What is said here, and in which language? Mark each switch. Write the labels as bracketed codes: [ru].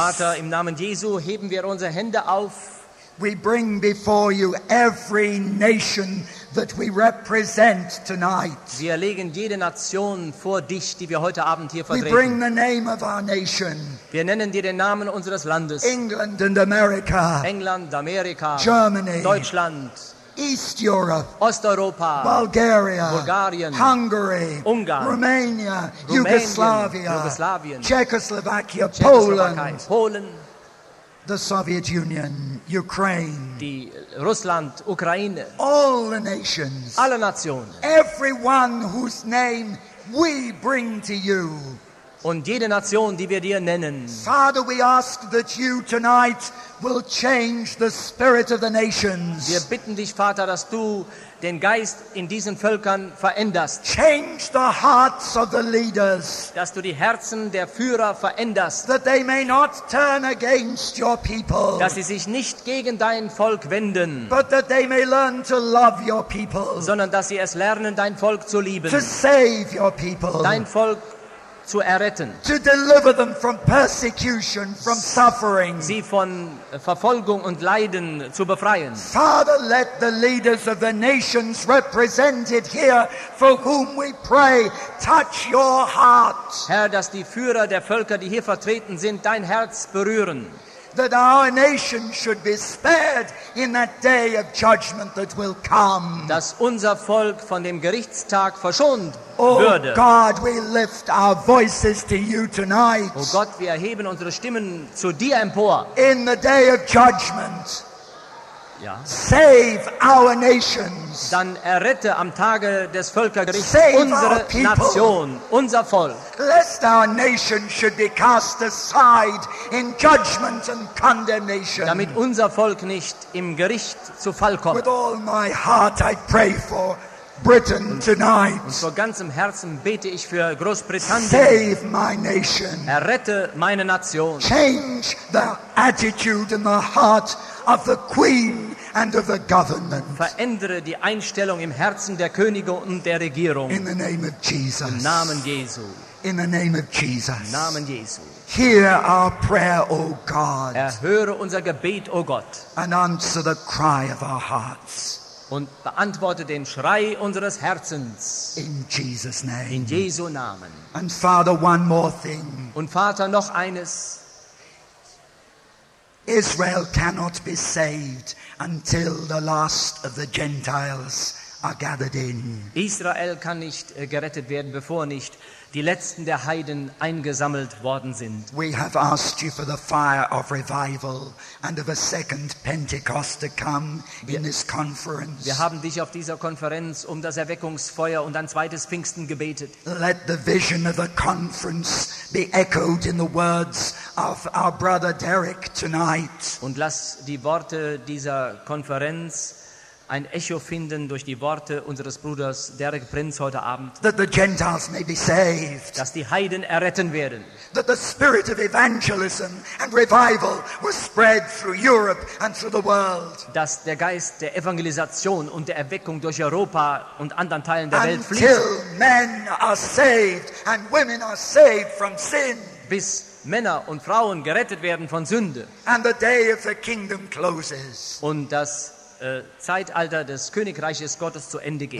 [de] Vater, im Namen Jesu heben wir unsere Hände auf. [en] We bring before you every nation that we represent tonight. [de] Wir legen jede Nation vor dich, die wir heute Abend hier vertreten. [en] We bring the name of our nation. [de] Wir nennen dir den Namen unseres Landes. [en] England and America. [de] England, Amerika. [en] Germany. [de] Deutschland. [en] East Europe. [de] Osteuropa. [en] Bulgaria. [de] Bulgarien. [en] Hungary. [de] Ungarn. [en] Romania. Yugoslavia. [de] Yugoslavien. [en] Czechoslovakia. Poland. [de] Polen. [en] The Soviet Union, Ukraine, [de] die Russland, Ukraine, [en] all the nations, [de] alle Nationen, [en] everyone whose name we bring to you, [de] und jede Nation, die wir dir nennen. [en] Father, we ask that you tonight will change the spirit of the nations. [de] Wir bitten dich, Vater, dass du den Geist in diesen Völkern veränderst. [en] Change the hearts of the leaders. [de] Dass du die Herzen der Führer veränderst. [en] That they may not turn against your people. [de] Dass sie sich nicht gegen dein Volk wenden. [en] But that they may learn to love your people. [de] Sondern dass sie es lernen, dein Volk zu lieben. [en] To save your people. [de] Dein Volk zu erretten. [en] To deliver them from persecution, from suffering. [de] Sie von Verfolgung und Leiden zu befreien. [en] Father, let the leaders of the nations represented here for whom we pray touch your heart. [de] Herr, dass die Führer der Völker, die hier vertreten sind, dein Herz berühren. [en] That our nation should be spared in that day of judgment that will come. [de] Dass unser Volk von dem Gerichtstag verschont würde. [en] Oh God, we lift our voices to you tonight. [de] Oh Gott, wir erheben unsere Stimmen zu dir empor. [en] In the day of judgment. [de] Ja. [en] Save our nations. [de] Dann errette am Tage des Völkergerichts Save unsere Nation, unser Volk. [en] Lest our nation should be cast aside in judgment and condemnation. [de] Damit unser Volk nicht im Gericht zu Fall kommt. [en] With all my heart I pray for Britain tonight. [de] Und von ganzem Herzen bete ich für Großbritannien. [en] Save my nation. [de] Errette meine Nation. [en] Change the attitude and the heart of the Queen and of the government. [de] Verändere die Einstellung im Herzen der Könige und der Regierung. [en] In the name of Jesus. [de] Im Namen Jesu. [en] In the name of Jesus. [de] Im Namen Jesu. [en] Hear our prayer, O God. [de] Erhöre unser Gebet, O Gott. [en] And answer the cry of our hearts. [de] Und beantworte den Schrei unseres Herzens. [en] In Jesus' name. [de] In Jesu Namen. [en] And Father, one more thing. [de] Und Vater, noch eines. [en] Israel cannot be saved until the last of the Gentiles are gathered in. [de] Israel kann nicht gerettet werden, bevor nicht die letzten der Heiden eingesammelt worden sind. [en] We have asked you for the fire of revival and of a second Pentecost to come in this conference. [de] Wir haben dich auf dieser Konferenz um das Erweckungsfeuer und ein zweites Pfingsten gebetet. [en] Let the vision of the conference be echoed in the words of our brother Derek tonight. [de] Und lass die Worte dieser Konferenz ein Echo finden durch die Worte unseres Bruders Derek Prinz heute Abend. [en] That the Gentiles may be saved. [de] Dass die Heiden erretten werden. [en] That the spirit of evangelism and revival will spread through Europe and through the world. [de] Dass der Geist der Evangelisation und der Erweckung durch Europa und anderen Teilen der Welt fließt. [en] Until men are saved and women are saved from sin. [de] Bis Männer und Frauen gerettet werden von Sünde. [en] And the day of the kingdom closes. [de] Und das Zeitalter des Königreiches Gottes zu Ende geht.